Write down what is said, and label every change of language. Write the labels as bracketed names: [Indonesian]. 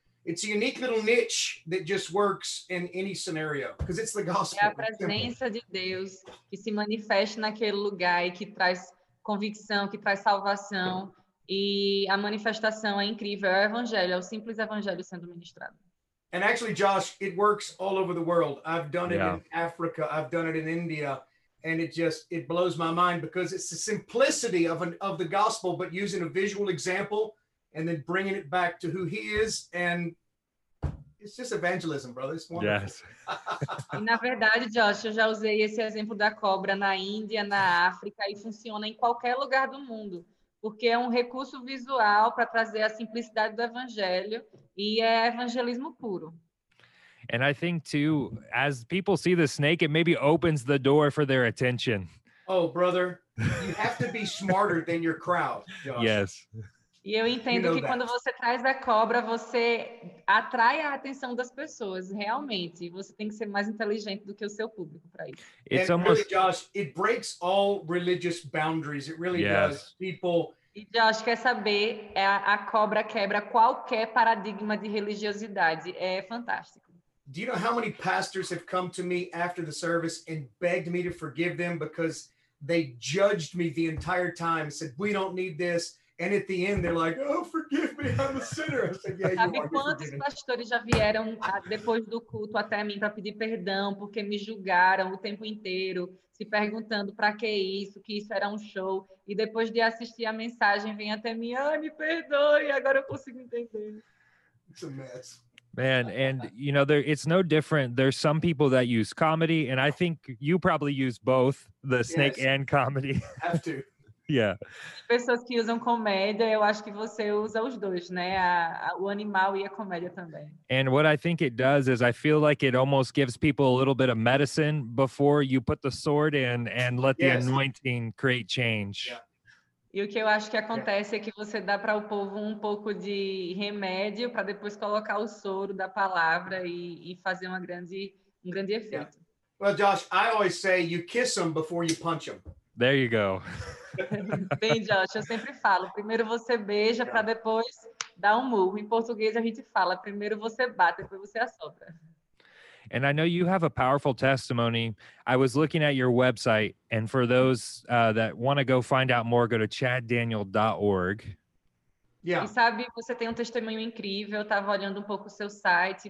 [English] It's a unique little niche that just works in any scenario, because it's the gospel. [Portuguese] É a presença de Deus que se manifesta naquele lugar e que traz convicção, que traz salvação, e a manifestação é incrível, é o evangelho, é o simples evangelho sendo ministrado. [English] And actually, Josh, it works all over the world. I've done it in Africa, I've done it in India, and it blows my mind, because it's the simplicity of the gospel, but using a visual example and then bringing it back to who he is, and it's just evangelism, brother. It's wonderful. Yes. [Portuguese] E na verdade, Josh, eu já usei esse exemplo da cobra na Índia, na África, e funciona em qualquer lugar do mundo, porque é um recurso visual para trazer a simplicidade do evangelho, e é evangelismo puro. [English] And I think too, as people see the snake, it maybe opens the door for their attention. Oh, brother, you have to be smarter than your crowd, Josh. Yes. [Portuguese] E eu entendo, [English] you know, [Portuguese] que quando você traz a cobra, você atrai a atenção das pessoas, realmente. Você tem que ser mais inteligente do que o seu público para isso. [English] It's almost... really, Josh, it breaks all religious boundaries. It really does. People... [Portuguese] E Josh, quer saber, a cobra quebra qualquer paradigma de religiosidade. É fantástico. [English] Do you know how many pastors have come to me after the service and begged me to forgive them because they judged me the entire time, said, we don't need this. And at the end, they're like, oh, forgive me, I'm a sinner. I said, yeah, [Portuguese] sabe quantos pastores já vieram depois do culto até mim para pedir perdão porque me julgaram o tempo inteiro, se perguntando para que isso era um show. E depois de assistir a mensagem, vem até mim, ah, me perdoe, agora eu consigo entender. [English] It's a mess. Man, and you know, it's no different. There's some people that use comedy, and I think you probably use both the snake and comedy. I have to. Yeah. [Portuguese] Pessoas que usam comédia, eu acho que você usa os dois, né? O animal e a comédia também. [English] And what I think it does is I feel like it almost gives people a little bit of medicine before you put the sword in and let the anointing create change. Yeah. [Portuguese] E o que eu acho que acontece é que você dá para o povo um pouco de remédio para depois colocar o soro da palavra e fazer um grande efeito. [English] Yeah. Well, Josh, I always say you kiss them before you punch them. There you go. [Portuguese] Bem, Josh, eu sempre falo, primeiro você beija para depois dar um murro. Em português a gente fala, primeiro você bate, depois você assopra. [English] And I know you have a powerful testimony. I was looking at your website, and for those that want to go find out more, go to chaddaniel.org. Yeah. [Portuguese] E sabe, você tem um testemunho incrível. Eu tava olhando um pouco o seu site.